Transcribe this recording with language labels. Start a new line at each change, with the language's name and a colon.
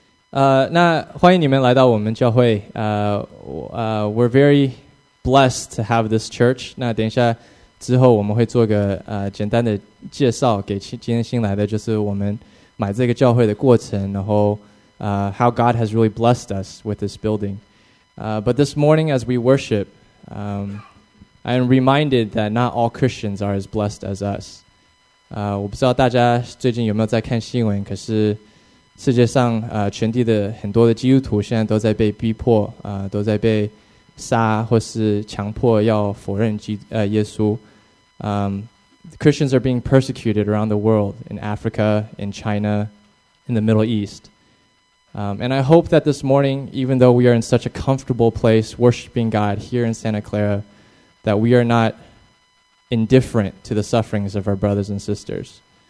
Chinese: 那欢迎你们来到我们教会。
English: We're very blessed to have this church.
Chinese: 那等一下之后我们会做个简单的介绍给今天新来的，就是我们买这个教会的过程，然后
English: how God has really blessed us with this building. But this morning as we worship, I am reminded that not all Christians are as blessed as us.
Chinese: 我不知道大家最近有没有在看新闻，可是世界上全地的很多的基督徒现在都在被逼迫，都在被杀或是强迫要否认耶稣。
English: Christians are being persecuted around the world, in Africa, in China, in the Middle East. And I hope that this morning, even though we are in such a comfortable place worshiping God here in Santa Clara, that we are notindifferent to the sufferings of our brothers and sisters.